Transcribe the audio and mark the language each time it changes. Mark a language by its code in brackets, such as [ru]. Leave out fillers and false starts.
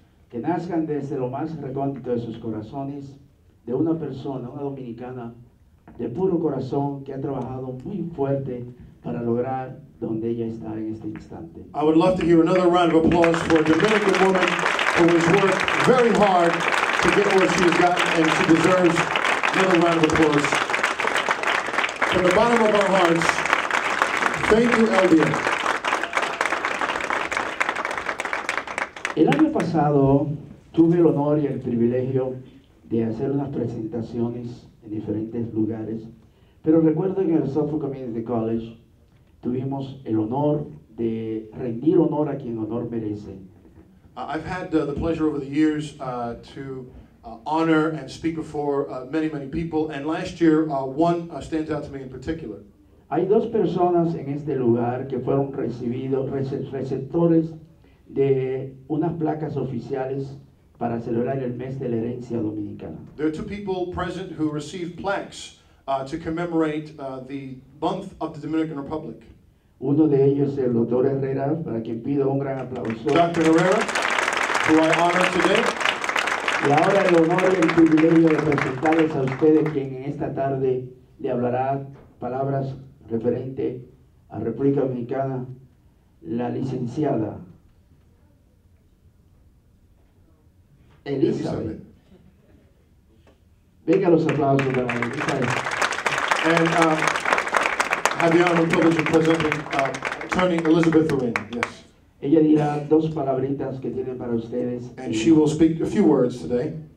[es] Que nazcan desde lo más recóndito de sus corazones, de una persona, una dominicana, de puro corazón, que ha trabajado muy fuerte para lograr donde ella está en este instante. [en] I would love to hear another round of applause for a Dominican woman who has worked very hard to get where she has gotten, and she deserves another round of applause. From the bottom of our hearts, thank you, Eldia. [es] El año pasado, Tuve el honor y el privilegio de hacer unas presentaciones en diferentes lugares, pero recuerdo que en el Suffolk Community College tuvimos el honor de rendir honor a quien honor merece. [en] I've had the pleasure over the years to honor and speak before many, many people, and last year one stands out to me in particular. [es] Hay dos personas en este lugar que fueron recibidos, receptores de unas placas oficiales para celebrar el mes de la herencia dominicana. [en] There are two people present who received plaques to commemorate the month of the Dominican Republic. [es] Uno de ellos es el Dr. Herrera, para quien pido un gran aplauso. [en] Dr. Herrera, who I honor today. [es] Y ahora el honor y el privilegio de presentarles a ustedes quien en esta tarde le hablará palabras referente a República Dominicana, la licenciada Elizabeth. Venga los aplausos para Elizabeth. [en] And have the honor and privilege of presenting attorney Elizabeth Arena. Yes. [es] Ella dirá dos palabritas que tiene para ustedes. [en] And she will speak a few words today.